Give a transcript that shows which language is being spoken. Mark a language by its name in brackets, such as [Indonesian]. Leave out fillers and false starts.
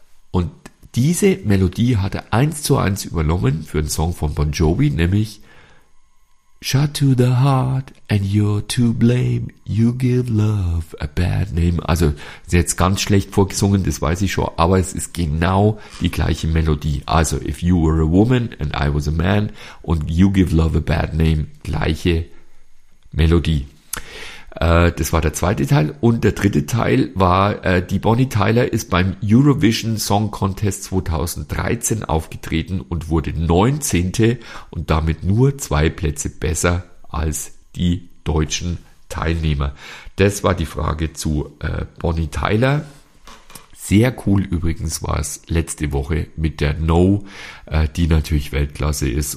[German] Und diese Melodie hat er 1:1 übernommen für einen Song von Bon Jovi, nämlich [English] Shut to the heart and you're to blame, you give love a bad name. [German] Also jetzt ganz schlecht vorgesungen, das weiß ich schon, aber es ist genau die gleiche Melodie. [English] Also if you were a woman and I was a man und you give love a bad name, [German] gleiche Melodie. Das war der zweite Teil. Und der dritte Teil war, die Bonnie Tyler ist beim Eurovision Song Contest 2013 aufgetreten und wurde 19. und damit nur 2 Plätze besser als die deutschen Teilnehmer. Das war die Frage zu Bonnie Tyler. Sehr cool übrigens war es letzte Woche mit der No, die natürlich Weltklasse ist.